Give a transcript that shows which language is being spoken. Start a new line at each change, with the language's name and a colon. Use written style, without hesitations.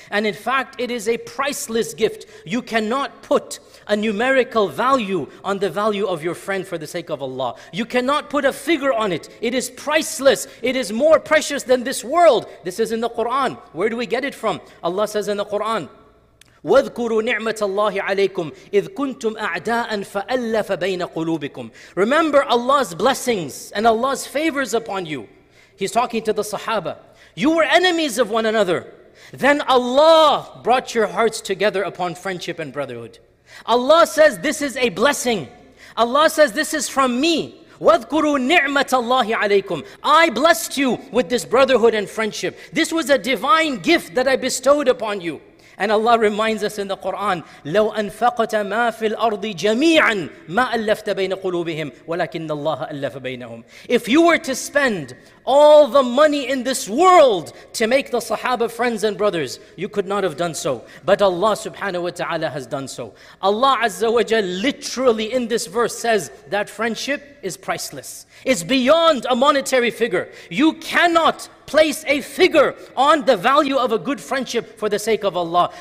English: And in fact, it is a priceless gift. You cannot put a numerical value on the value of your friend for the sake of Allah. You cannot put a figure on it. It is priceless. It is more precious than this world. This is in the Quran. Where do we get it from? Allah says in the Quran,
Arabic: وَذْكُرُوا نِعْمَةَ اللَّهِ عَلَيْكُمْ إِذْ كُنْتُمْ أَعْدَاءً فَأَلَّفَ بَيْنَ قُلُوبِكُمْ.
English: Remember Allah's blessings and Allah's favors upon you. He's talking to the Sahaba. You were enemies of one another. Then Allah brought your hearts together upon friendship and brotherhood. Allah says this is a blessing. Allah says this is from me.
Arabic: وَذْكُرُوا نِعْمَةَ اللَّهِ عَلَيْكُمْ.
English: I blessed you with this brotherhood and friendship. This was a divine gift that I bestowed upon you. And Allah reminds us in the Quran,
Arabic: لَوْ أَنْفَقْتَ مَا فِي الْأَرْضِ جَمِيعًا مَا أَلَّفْتَ بَيْنَ قُلُوبِهِمْ وَلَكِنَّ اللَّهَ أَلَّفَ بَيْنَهُمْ.
English: If you were to spend all the money in this world to make the Sahaba friends and brothers, you could not have done so. But Allah subhanahu wa ta'ala has done so. Allah azza wa jal literally in this verse says that friendship is priceless. It's beyond a monetary figure. You cannot place a figure on the value of a good friendship for the sake of Allah.